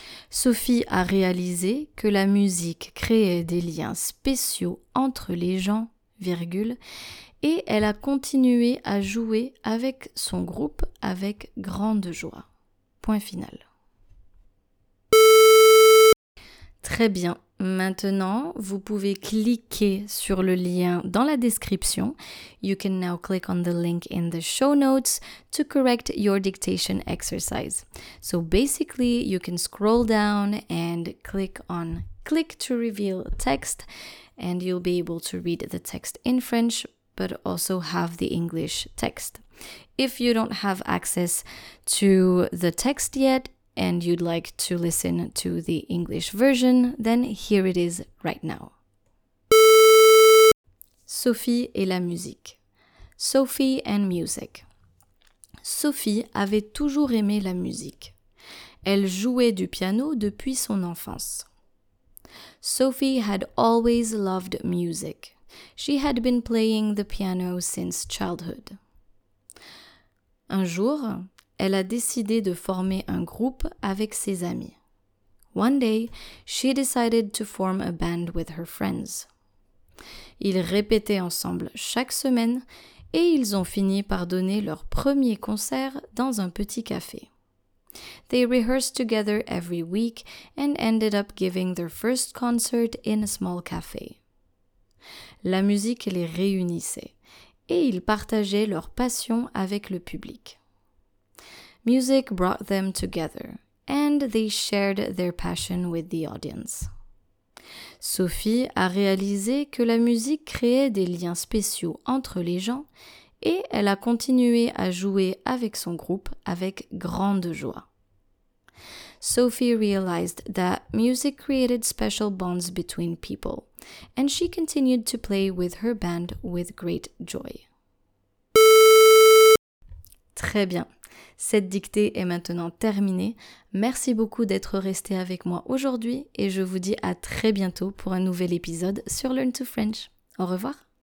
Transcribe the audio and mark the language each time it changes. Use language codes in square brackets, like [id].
[fr] Sophie a réalisé que la musique créait des liens spéciaux entre les gens, virgule, et elle a continué à jouer avec son groupe avec grande joie. Point final. Très bien, Maintenant, vous pouvez cliquer sur le lien dans la description. [en] You can now click on the link in the show notes to correct your dictation exercise. So basically, you can scroll down and click on click to reveal text, and you'll be able to read the text in French, but also have the English text. If you don't have access to the text yet, and you'd like to listen to the English version, then here it is right now. [fr] Sophie et la musique. [en] Sophie and music. [fr] Sophie avait toujours aimé la musique. Elle jouait du piano depuis son enfance. [en] Sophie had always loved music. She had been playing the piano since childhood. [fr] Un jour, elle a décidé de former un groupe avec ses amis. [en] One day, she decided to form a band with her friends. [fr] Ils répétaient ensemble chaque semaine et ils ont fini par donner leur premier concert dans un petit café. [en] They rehearsed together every week and ended up giving their first concert in a small café. [fr] La musique les réunissait et ils partageaient leur passion avec le public. [en] Music brought them together, and they shared their passion with the audience. [fr] Sophie a réalisé que la musique créait des liens spéciaux entre les gens, et elle a continué à jouer avec son groupe avec grande joie. [en] Sophie realized that music created special bonds between people, and she continued to play with her band with great joy. [fr] Très bien. Cette dictée est maintenant terminée. Merci beaucoup d'être resté avec moi aujourd'hui et je vous dis à très bientôt pour un nouvel épisode sur Learn to French. Au revoir.